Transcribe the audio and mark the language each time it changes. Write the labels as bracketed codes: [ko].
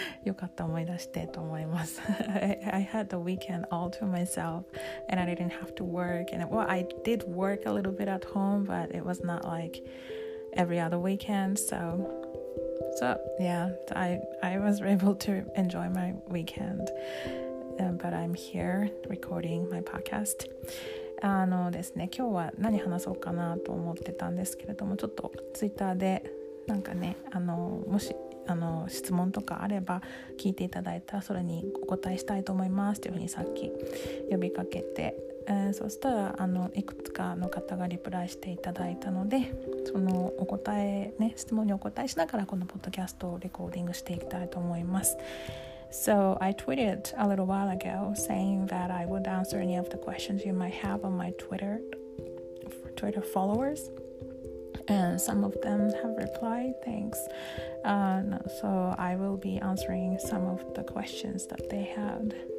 [ja] よかった、思い出してと思います。 [en] I had the weekend all to myself and I didn't have to work, and well, I did work a little bit at home, but it was not like every other weekend, so I was able to enjoy my weekend. But I'm here recording my podcast. [ja] ですね、今日は何話そうかなと思ってたんですけれども、ちょっとツイッターでなんかね、もし質問とかあれば聞いていただいたら、それにお答えしたいと思いますというふうにさっき呼びかけて、そしたらいくつかの方がリプライしていただいたので、そのお答えね、質問にお答えしながらこのポッドキャストをレコーディングしていきたいと思います。 [en] So I tweeted a little while ago saying that I would answer any of the questions you might have on my Twitter followers, and some of them have replied, thanks. So I will be answering some of the questions that they had.